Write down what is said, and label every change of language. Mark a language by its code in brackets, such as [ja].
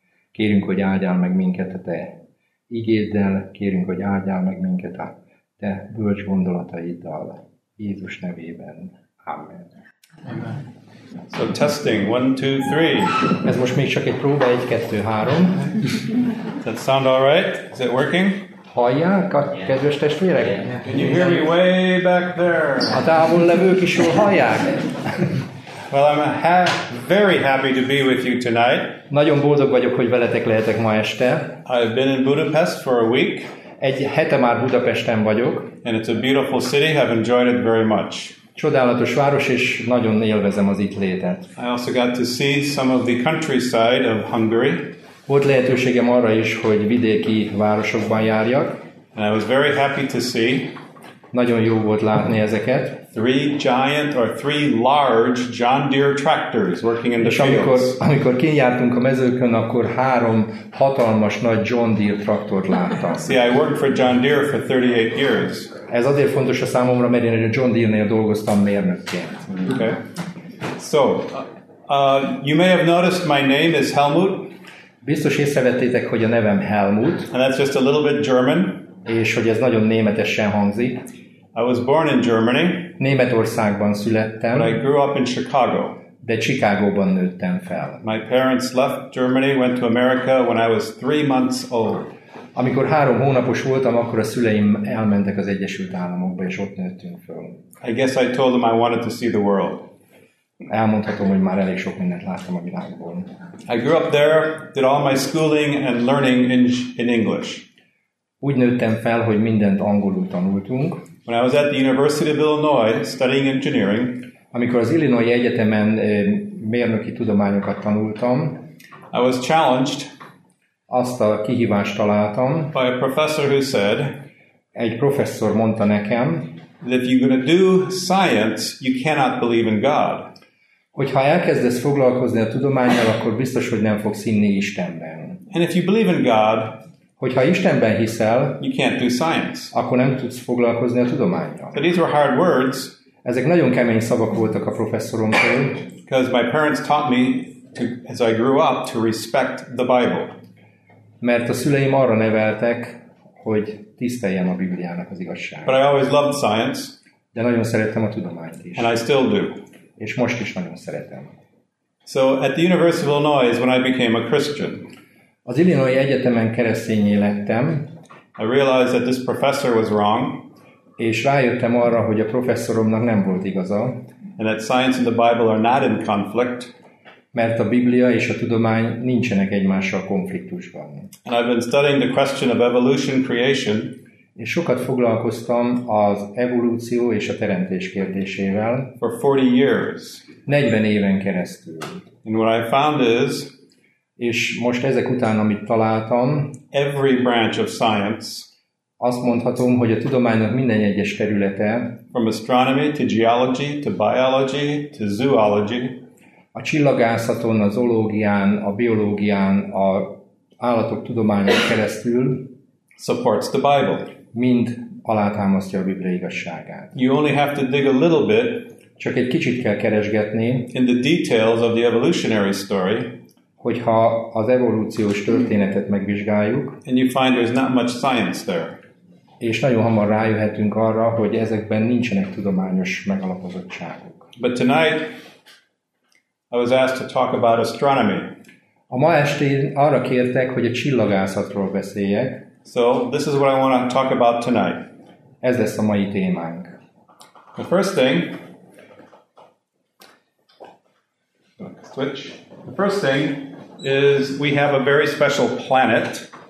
[hu] Kérünk, hogy áldjál meg minket a te igéddel, kérünk, hogy áldjál meg minket a te bölcs gondolataiddal. Jézus nevében. Amen. [en] So testing, 1, 2, 3. [hu] Ez most még csak egy próba, 1, 2, 3. [en] Does that sound all right? Is it working? [hu] Hallják a kedves testvérek? [en] Can you hear me way back there? [hu] A távol levők is jól hallják. [en] Well, I'm very happy to be with you tonight. [hu] Nagyon boldog vagyok, hogy veletek lehetek ma este. [en] I've been in Budapest for a week. [hu] Egy hete már Budapesten vagyok. [en] And it's a beautiful city. I've enjoyed it very much. [hu] Csodálatos város, és nagyon élvezem az itt létet. [en] I also got to see some of the countryside of Hungary. [hu] Volt lehetőségem arra is, hogy vidéki városokban járjak. [en] And I was very happy to see. [hu] Nagyon jó volt látni ezeket. [en] Three large John Deere tractors working in the fields. [hu] Amikor kijártunk a mezőkön, akkor három hatalmas nagy John Deere traktort láttam. [en] See, I worked for John Deere for 38 years. [hu] Ez azért fontos a számomra, mert én a John Deere-nél dolgoztam mérnökként. [en] Okay. So, you may have noticed my name is Helmut. [hu] Biztos észrevettétek, hogy a nevem Helmut. [en] And that's just a little bit German. [hu] És hogy ez nagyon németesen hangzik. [en] I was born in Germany. [hu] Németországban születtem. [en] But I grew up in Chicago. [hu] De Chicagóban nőttem fel. [en] My parents left Germany, went to America when I was 3 months old. [hu] Amikor 3 hónapos voltam, akkor a szüleim elmentek az Egyesült Államokba, és ott nőttünk fel. [en] I guess I told them I wanted to see the world. [hu] Elmondhatom, hogy már elég sok mindent láttam a világból. [en] I grew up there, did all my schooling and learning in English. [hu] Úgy nőttem fel, hogy mindent angolul tanultunk. [en] When I was at the University of Illinois studying engineering, [hu] amikor az Illinois Egyetemen mérnöki tudományokat tanultam, [en] I was challenged. [hu] azt a kihívást találtam. [en] By a professor who said, [hu] egy professzor mondta nekem, [en] that if you're going to do science, you cannot believe in God. [hu] Hogyha elkezdesz foglalkozni a tudománnyal, akkor biztos, hogy nem fogsz hinni Istenben. [en] And if you believe in God, [hu] hogyha Istenben hiszel, [en] you can't do science. [hu] Akkor nem tudsz foglalkozni a tudománnyal. [en] But these were hard words. [hu] Ezek nagyon kemény szavak voltak a professzoromtól. [en] Because my parents taught me, to, as I grew up, to respect the Bible. [hu] Mert a szüleim arra neveltek, hogy tiszteljem a Bibliának az igazságát. [en] But I always loved science. [hu] De nagyon szerettem a tudományt is. [en] And I still do. [hu] És most is nagyon szeretem. [en] So at the University of Illinois, when I became a Christian, [hu] az Illinois Egyetemen keresztényé lettem, [en] I realized that this professor was wrong, [hu] és rájöttem arra, hogy a professzoromnak nem volt igaza, [en] and that science and the Bible are not in conflict, [hu] mert a Biblia és a tudomány nincsenek egymással konfliktusban. [en] And I've been studying the question of evolution creation, [hu] és sokat foglalkoztam az evolúció és a teremtés kérdésével. [en] For 40 years. [hu] 40 éven keresztül. [en] And what I found is, [hu] és most ezek után, amit találtam, [en] every branch of science, [hu] azt mondhatom, hogy a tudománynak minden egyes területe, [en] from astronomy to geology to biology to zoology, [hu] a csillagászaton, a zoológián, a biológián, a állatok tudományán keresztül, [en] supports the Bible. [hu] Mind alátámasztja a Biblia igazságát. [en] You only have to dig a little bit. [hu] Csak egy kicsit kell keresgetni. [en] In the details of the evolutionary story. [hu] Hogyha az evolúciós történetet megvizsgáljuk. [en] And you find there's not much science there. [hu] És nagyon hamar rájöhetünk arra, hogy ezekben nincsenek tudományos megalapozottságok. [en] But tonight, I was asked to talk about astronomy. [hu] A ma estén arra kértek, hogy a csillagászatról beszéljek. [en] So this is what I want to talk about tonight. [hu] Ez lesz a mai témánk. [en] The first thing. Switch. The first thing is we have a very special planet.